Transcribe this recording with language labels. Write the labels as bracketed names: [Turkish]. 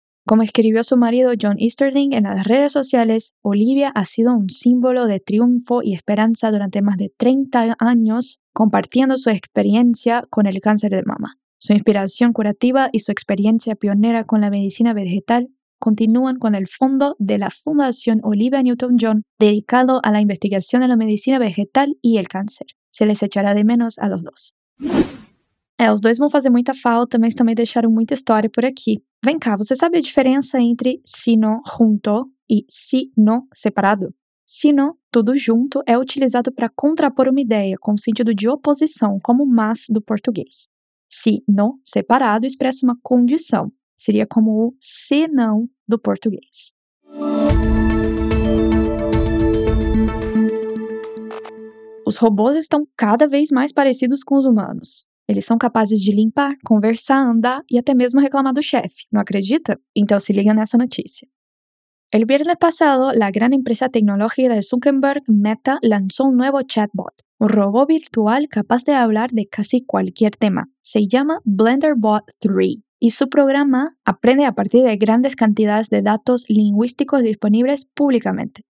[Spanish] Como escribió su marido John Easterling en las redes sociales, Olivia ha sido un símbolo de triunfo y esperanza durante más de 30 años compartiendo su experiencia con el cáncer de mama. Su inspiración curativa y su experiencia pionera con la medicina vegetal continúan con el fondo de la Fundación Olivia Newton-John dedicado a la investigación de la medicina vegetal y el cáncer. Se les echará de menos a los dos. [Portuguese] É, os dois vão fazer muita falta, mas também deixaram muita história por aqui. Vem cá, você sabe a diferença entre sino junto e sino separado? Sino, tudo junto, é utilizado para contrapor uma ideia, com sentido de oposição, como mas do português. Sino separado expressa uma condição. Seria como o senão do português. Os robôs estão cada vez mais parecidos com os humanos. Eles são capazes de limpar, conversar, andar e até mesmo reclamar do chefe. Não acredita? Então se liga nessa notícia. [Spanish] El viernes pasado, la gran empresa tecnológica de Zuckerberg, Meta, lanzó un nuevo chatbot, un robot virtual capaz de hablar de casi cualquier tema. Se llama BlenderBot 3 y su programa aprende a partir de grandes cantidades de datos lingüísticos disponibles públicamente.